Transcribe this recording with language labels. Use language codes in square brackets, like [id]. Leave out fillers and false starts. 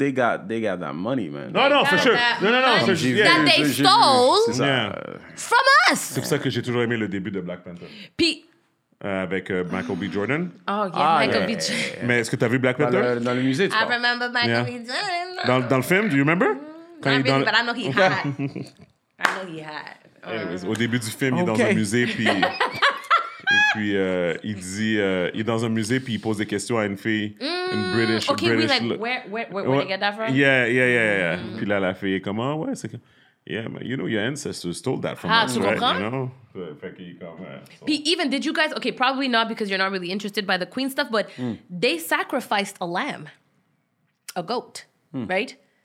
[en] They pretend, but they got that money, man. No, for sure. That they stole from us. [fr] C'est pour ça que j'ai toujours aimé le début de Black Panther. Puis... avec Michael B. Jordan. [en] Oh, yeah, Michael B. Jordan. [fr] Mais est-ce que t'as vu Black Panther? Dans le musée, tu vois. [en] I remember [fr] Michael B. Jordan. Dans le film, [en] do you remember? I know he had. [fr] Au début du film, il est dans un musée, puis... Et puis, il dit, il est dans un musée, puis il pose des questions à une fille, une British. [en] Okay, we like, where did you get that from? Yeah. Mm-hmm. [fr] Puis là, la fille est comme, ouais, c'est comme, [en] yeah, man, you know, your ancestors stole that from us, right? [fr] Comprends? [en] You know? [fr] Fait qu'il est comme, ouais. [en] Puis, even, did you guys, okay, probably not, because you're not really interested by the queen stuff, but they sacrificed a lamb, a goat, right?